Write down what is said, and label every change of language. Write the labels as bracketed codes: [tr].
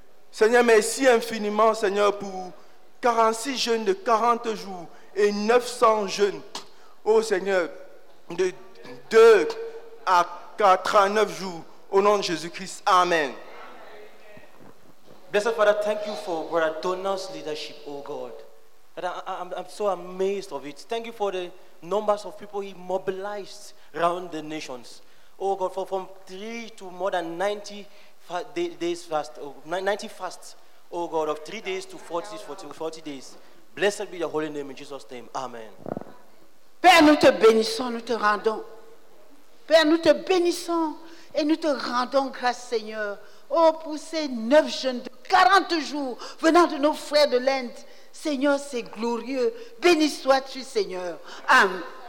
[fr] Seigneur, merci infiniment, Seigneur, pour 46 jeunes de 40 jours et 900 jeunes, ô Seigneur, de 2 à 49 jours, au nom de Jésus-Christ. Amen. [en] Blessed Father, thank you for Brother Donald's leadership, oh God. And I'm so amazed of it. Thank you for the numbers of people he mobilized around the nations. Oh God, from 3 to more than 90 days fast, oh, 90 fasts, oh God, of 3 days to 40 days. Blessed be your holy name in Jesus' name. Amen. [fr] Père, nous te bénissons, nous te rendons. Père, nous te bénissons et nous te rendons grâce, Seigneur. Oh, pour ces 9 jeunes de 40 jours venant de nos frères de l'Inde. Seigneur, c'est glorieux. Béni sois-tu, Seigneur. Amen.